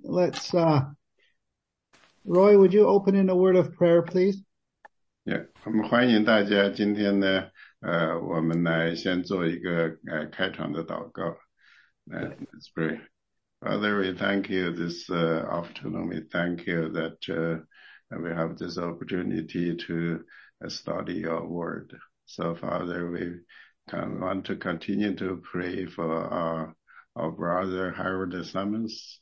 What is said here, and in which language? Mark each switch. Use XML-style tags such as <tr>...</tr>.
<en>Let's Roy, would you open in a word of prayer, please?</en> <zh>我们欢迎大家今天呢，我们呢先做一个开场的祷告。</zh> <en>Let's pray. Father, we thank you this afternoon. We thank you that we have this opportunity to study your word. So, Father, we want to continue to pray for our brother Harold Simmons.</en>